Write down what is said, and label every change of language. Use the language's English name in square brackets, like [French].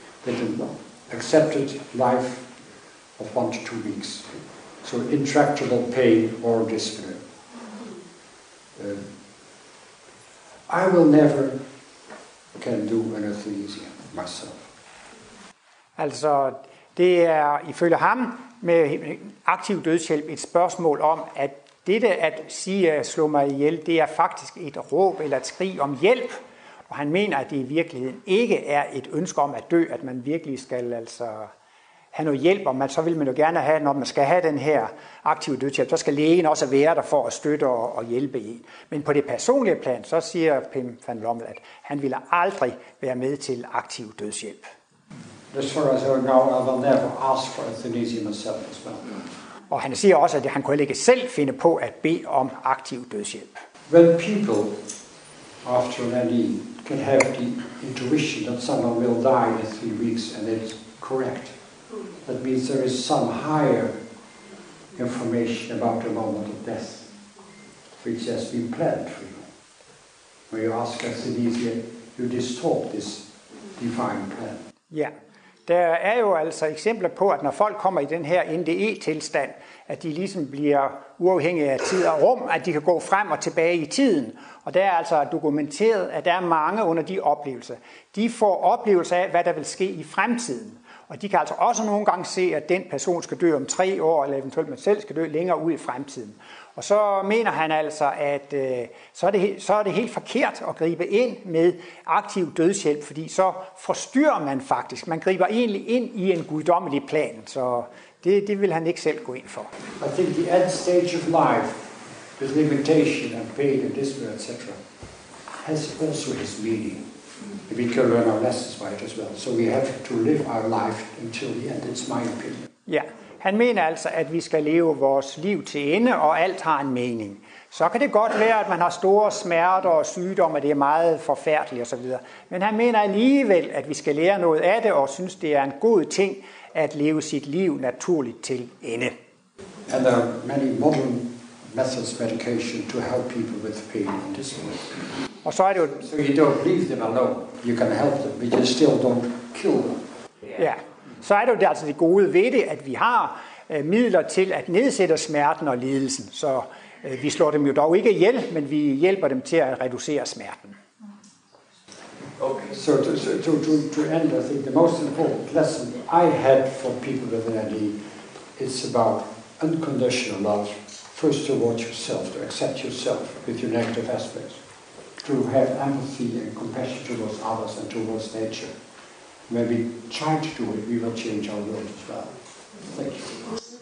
[English] They did not accept life of 1 to 2 weeks. So intractable pain or despair. I will never can do an euthanasia myself. [Danish] Altså, det er ifølge ham med aktiv dødshjælp et spørgsmål om, at dette at sige at slå mig ihjel, det er faktisk et råb eller et skrig om hjælp. Og han mener, at det i virkeligheden ikke er et ønske om at dø, at man virkelig skal altså have noget hjælp, og man, så vil man jo gerne have, når man skal have den her aktive dødshjælp, så skal lægen også være der for at støtte og hjælpe en. Men på det personlige plan, så siger Pim van Lommel, at han ville aldrig være med til aktiv dødshjælp. [English] As far as I know, I will never ask for euthanasia myself as well. [Danish] Og han siger også, at han kunne ikke selv finde på at bede om aktiv dødshjælp. [English] When people after an ED can have the intuition that someone will die in 3 weeks and it's correct, that means there is some higher information about the moment of death, which has been planned for you. When you ask euthanasia, you distort this divine plan. [Danish] Ja, der er jo altså eksempler på, at når folk kommer i den her NDE-tilstand, at de ligesom bliver uafhængige af tid og rum, at de kan gå frem og tilbage i tiden. Og der er altså dokumenteret, at der er mange under de oplevelser. De får oplevelser af, hvad der vil ske i fremtiden. Og de kan altså også nogle gange se, at den person skal dø om 3 år, eller eventuelt man selv skal dø længere ud i fremtiden. Og så mener han altså, at så er det helt forkert at gribe ind med aktiv dødshjælp, fordi så forstyrrer man faktisk. Man griber egentlig ind i en guddommelig plan, så det vil han ikke selv gå ind for. [English] I think the end stage of life, with limitation and pain and despair, etc., has also its meaning. We can learn our lessons by it as well. So we have to live our life until the end. It's my opinion. [Danish] Yeah, han mener altså, at vi skal leve vores liv til ende, og alt har en mening. Så kan det godt være, at man har store smerter og sygdomme, og det er meget forfærdeligt osv. Men han mener alligevel, at vi skal lære noget af det, og synes, det er en god ting at leve sit liv naturligt til ende. [English] And there are many modern methods of medication to help people with pain and disorder. [Danish] Og så er det jo, [English] so you don't leave them alone. You can help them, but you still don't kill them. [Danish] Ja, så er det jo altså det gode ved det, at vi har midler til at nedsætte smerten og lidelsen. Så vi slår dem jo dog ikke ihjel, men vi hjælper dem til at reducere smerten. [English] Okay, so to end, I think the most important lesson I had for people with an ED is about unconditional love. First towards yourself, to accept yourself with your negative aspects. To have empathy and compassion towards others and towards nature. When we try to do it, we will change our world as well. Thank you.